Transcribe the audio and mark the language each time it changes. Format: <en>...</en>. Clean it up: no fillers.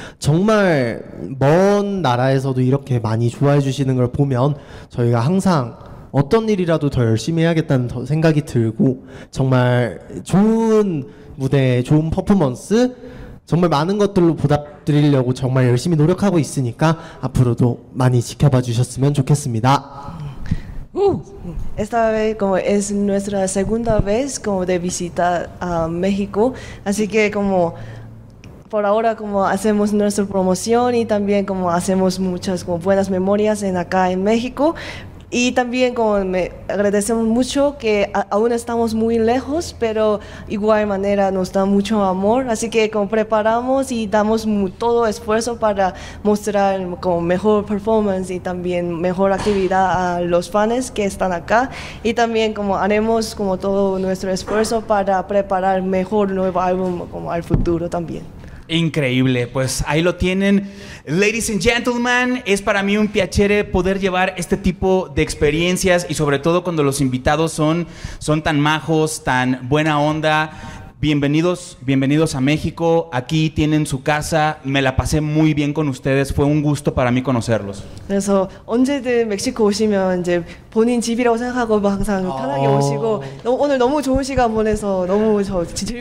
<ko>정말 먼 나라에서도 이렇게 많이 좋아해 주시는 걸 보면 저희가 항상 어떤 일이라도 더 열심히 해야겠다는 생각이 들고 정말 좋은 무대, 좋은 퍼포먼스 정말 많은 것들로 보답드리려고 정말 열심히 노력하고 있으니까 앞으로도 많이 지켜봐 주셨으면 좋겠습니다.</ko> <es>Esta vez como es nuestra segunda vez como de visita a México, así que como por ahora como hacemos nuestra promoción y también como hacemos muchas como buenas memorias en acá en México. Y también como me agradecemos mucho que aún estamos muy lejos, pero igual manera nos da mucho amor. Así que como preparamos y damos todo esfuerzo para mostrar como mejor performance y también mejor actividad a los fans que están acá. Y también como haremos como todo nuestro esfuerzo para preparar mejor nuevo álbum como al futuro también. Increíble, pues ahí lo tienen.</es> <en>Ladies and gentlemen,</en> <es>es para mí un piacere poder llevar este tipo de experiencias y sobre todo cuando los invitados son tan majos, tan buena onda. Bienvenidos a México. Aquí tienen su casa. Me la pasé muy bien con ustedes. Fue un gusto para mí conocerlos.</es> <ko>그래서 언제든 멕시코 오시면 이제 본인 집이라고 생각하고 항상 편하게 오시고 오늘 너무 좋은 시간 보내서 너무 저 즐거웠어요.</ko>